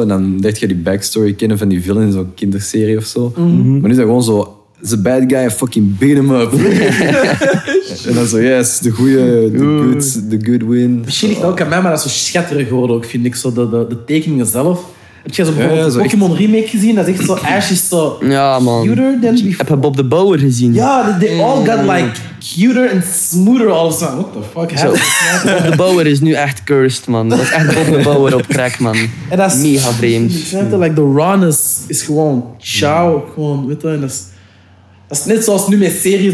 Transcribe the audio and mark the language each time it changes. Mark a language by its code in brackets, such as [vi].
[nl] En dan deed je die backstory kennen van die villain in zo'n kinderserie of zo. Mm-hmm. Maar nu is dat gewoon zo, [en] the bad guy, fucking beat him up. [nl] En dan zo, yes, de goede, [en] the good win. [nl] Misschien ligt dat ook aan mij, maar dat is zo schitterend geworden ook, vind ik. Zo de tekeningen zelf. Heb je zo bijvoorbeeld zo Pokémon echt... remake gezien? Dat is echt zo, Ash is zo [en] cuter than before. [nl] Heb je Bob de Bouwer gezien? [en] Ja, they all got like... cuter en smoother all the time. What the fuck? [nl] So, Bob de Bouwer is nu echt cursed, man. Dat is echt Bob de Bouwer op crack, man. En dat is mega vreemd. [en] Like the rawness is gewoon ciao. [nl] Gewoon, weet je, dat is net zoals nu met series.